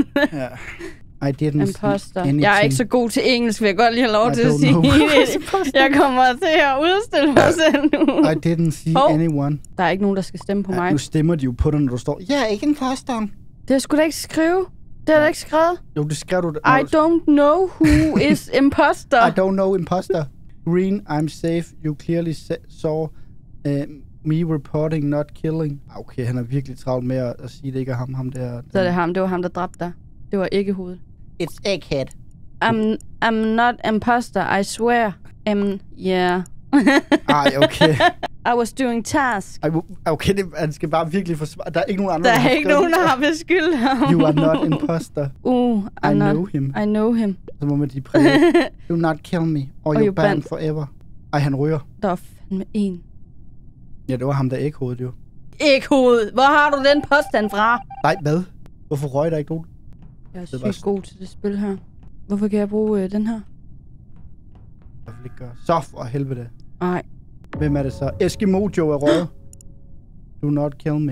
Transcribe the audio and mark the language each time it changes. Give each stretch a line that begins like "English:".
Danish: Ja. Ej, det er den
English: imposter.
Danish: Jeg er ikke så god til engelsk, vil jeg godt lige have lov I til at sige det. Jeg kommer til at udstille mig selv nu.
English: I didn't see anyone.
Danish: Der er ikke nogen, der skal stemme på mig. Nu stemmer de jo på dig, når du står. Jeg er ikke en imposter. Det har jeg sgu da ikke skrive. Det har jeg ikke skrevet. Jo, det skrev du.
English: I don't know who is imposter. I don't know imposter. Green, I'm safe. You clearly saw me reporting, not killing.
Danish: Okay, han er virkelig travlt med at sige, det ikke er ham der. Så det er ham. Det var ham, der dræbte dig. Det var ikke hovedet.
English: It's egghead. I'm not imposter, I swear. Yeah.
Danish: Ej, okay.
English: I was doing task.
Danish: Okay, han skal bare virkelig forsvare. Der er ikke nogen andre, der har skrevet. Der er ikke nogen, der har beskyldt ham.
English: You are not imposter. I know him. I know him.
Danish: Så må man lige præge.
English: Do not kill me, or you're banned forever.
Danish: Ej, han ryger. Der er fandme en. Ja, det var ham, der ægghovedet jo. Ægghovedet? Hvor har du den påstand fra? Nej, hvad? Hvorfor røg der ikke nogen? Jeg er sygt god til det spil her. Hvorfor kan jeg bruge den her? Jeg vil ikke gøre så for helvede. Ej. Hvem er det så? Eskimojo er røget.
English: Do not kill me.